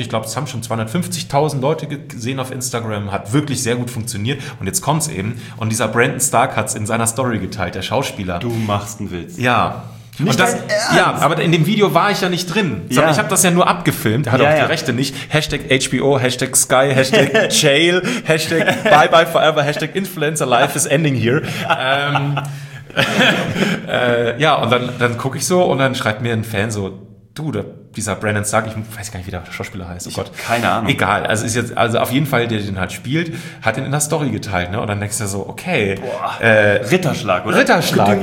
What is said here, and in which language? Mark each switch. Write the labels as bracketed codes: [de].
[de] Ich glaube, es haben schon 250.000 Leute gesehen auf Instagram. Hat wirklich sehr gut funktioniert. Und jetzt kommt's eben. Und dieser Brandon Stark hat's in seiner Story geteilt, der Schauspieler. Du machst einen Witz. Ja. Nicht und das, ja, aber in dem Video war ich ja nicht drin. Ja. Ich habe das ja nur abgefilmt. Er hat auch die Rechte nicht. [en] Hashtag HBO, Hashtag Sky, Hashtag Jail, Hashtag Bye Bye Forever, Hashtag Influencer Life is ending here. [de] ja, und dann gucke ich so und dann schreibt mir ein Fan so, du, dieser Brandon Stark, ich weiß gar nicht, wie der Schauspieler heißt. Oh Gott. Keine Ahnung. Egal. Also ist jetzt, also auf jeden Fall, der den halt spielt, hat den in der Story geteilt, ne? Und dann denkst du so, okay. Boah, Ritterschlag, oder? Ritterschlag,